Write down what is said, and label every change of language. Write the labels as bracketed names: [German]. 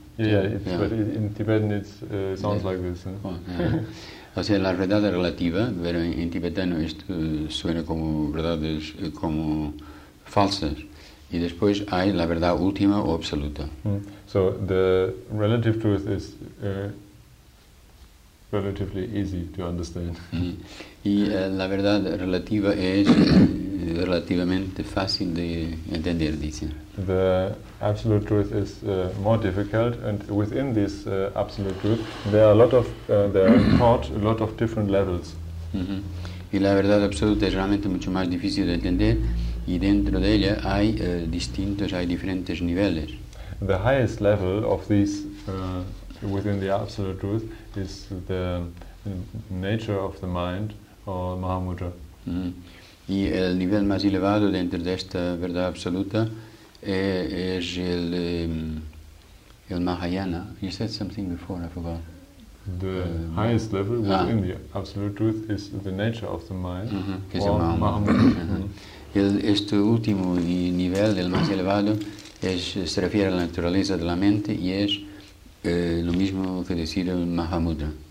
[English] Yeah, but in Tibetan it sounds like this. Huh? Oh, yeah. [Spanish] O sea, la verdad relativa, pero en tibetano esto suena como verdades como falsas. Y después hay la verdad última o absoluta. [English] So the relative truth is relatively easy to understand. [Spanish] Y la verdad relativa es relativamente fácil de entender, dice. [English] The absolute truth is more difficult, and within this absolute truth, there are taught a lot of different levels. [Spanish] Y la verdad absoluta es realmente mucho más difícil de entender, y dentro de ella hay diferentes niveles. [English] The highest level of these within the absolute truth is the nature of the mind or Mahamudra. [Spanish] Y el nivel más elevado dentro de esta verdad absoluta es el Mahayana. [English] You said something before, I forgot. The highest level within the absolute truth is the nature of the mind. [Spanish] Que es el Mahamudra. Este último nivel, el más elevado, se refiere a la naturaleza de la mente y es lo mismo que decir el Mahamudra.